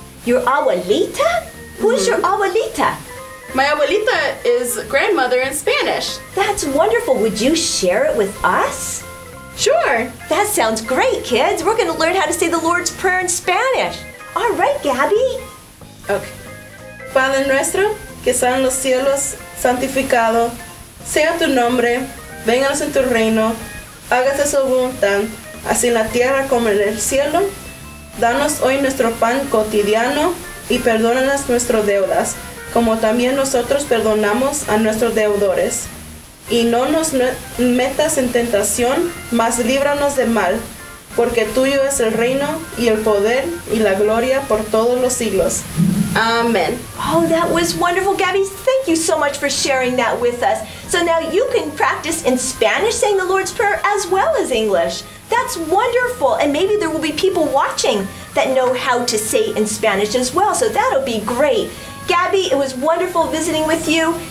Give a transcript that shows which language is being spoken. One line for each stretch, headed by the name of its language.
English: Your abuelita? Who's your abuelita? My abuelita is grandmother in Spanish. That's wonderful. Would you share it with us? Sure. That sounds great, kids. We're going to learn how to say the Lord's Prayer in Spanish. All right, Gabby. Okay.
Spanish: Padre nuestro, que sea en los cielos santificado, sea tu nombre, vénganos en tu reino, hágase su voluntad, así en la tierra como en el cielo. Danos hoy nuestro pan cotidiano y perdónanos nuestras deudas, como también nosotros perdonamos a nuestros deudores. Y no nos metas en tentación, mas líbranos del mal, porque tuyo es el reino y el poder y la gloria por todos los siglos. Amen.
English: Oh, that was wonderful, Gabby. Thank you so much for sharing that with us. So now you can practice in Spanish saying the Lord's Prayer as well as English. That's wonderful. And maybe there will be people watching that know how to say in Spanish as well. So that'll be great. Gabby, it was wonderful visiting with you.